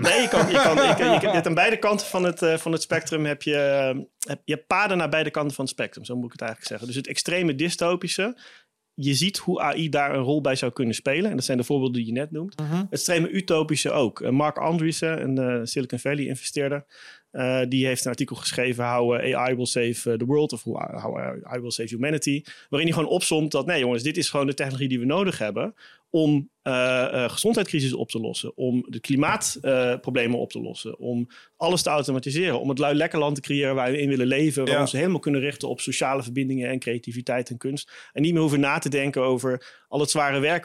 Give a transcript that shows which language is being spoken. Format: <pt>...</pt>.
<nl>Nee, je hebt aan beide kanten van het spectrum heb je paden naar beide kanten van het spectrum. Zo moet ik het eigenlijk zeggen. Dus het extreme dystopische. Je ziet hoe AI daar een rol bij zou kunnen spelen. En dat zijn de voorbeelden die je net noemt. Uh-huh. Het extreme utopische ook. Mark Andreessen, een Silicon Valley investeerder. Die heeft een artikel geschreven.</nl> <en>How AI will save the world. Of how AI will save humanity.</en> <nl>Waarin hij gewoon opsomt dat. Nee jongens, dit is gewoon de technologie die we nodig hebben. Om gezondheidscrisis op te lossen. Om de klimaatproblemen op te lossen. Om alles te automatiseren. Om het lui lekker land te creëren waar we in willen leven. Waar we ons helemaal kunnen richten op sociale verbindingen. En creativiteit en kunst. En niet meer hoeven na te denken over al het zware werk.</nl>